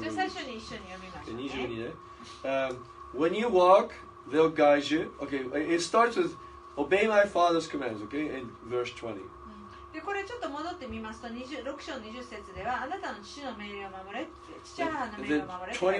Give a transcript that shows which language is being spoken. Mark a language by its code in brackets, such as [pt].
[ja] じゃあ最初に一緒に読みましょうね。 [en] When you walk, they'll guide you. Okay, it starts with obey my father's commands. Okay, in verse 20. [ja] でこれちょっと戻ってみますと6章20節ではあなたの父の命令を守れ父母の命令を守れ